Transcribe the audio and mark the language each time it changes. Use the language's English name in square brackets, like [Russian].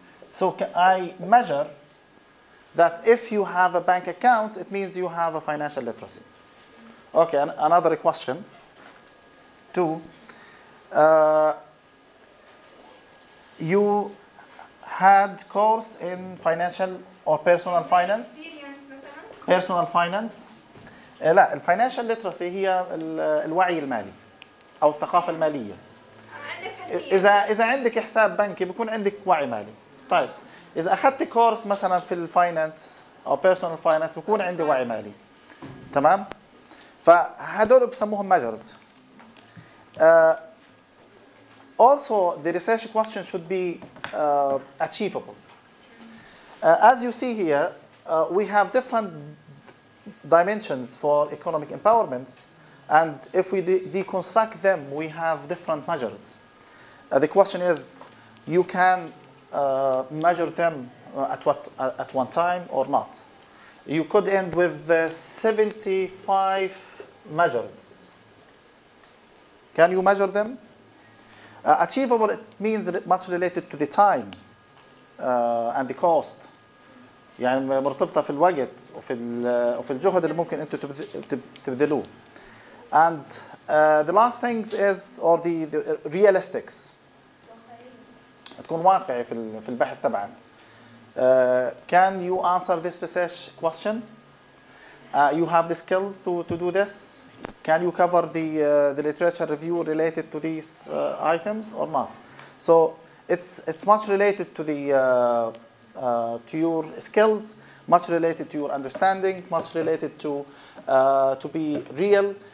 [English] So I measure that if you have a bank account, it means you have a financial literacy. Okay, another question. Two. You had course in financial or personal finance? Personal finance. [Arabic] لا, الفاينانشال ليترسي هي الوعي المالي او الثقافه الماليه. عندك اذا عندك حساب بنكي بيكون عندك وعي مالي. طيب, إذا أخذت كورس مثلا في الفاينانس أو بيرسونال فاينانس بكون عندي وعي مالي، تمام؟ فهدول بسموهم measures. [English] Also the research question should be achievable. As you see here, we have different dimensions for economic empowerment, and if we deconstruct them, we have different measures. The question is, you can measure them at what at one time or not. You could end with 75 measures. Can you measure them? Achievable, it means much related to the time and the cost. [Arabic] يعني مرتبطة في الوقت وفي الجهد اللي ممكن انتو تبذلوه. [English] And the last things is, or the realistics. [Arabic] تكون واقعي في البحث تبعك. [English] Can you answer this research question? You have the skills to do this? Can you cover the literature review related to these items or not? So it's much related to the to your skills, much related to your understanding, much related to be real.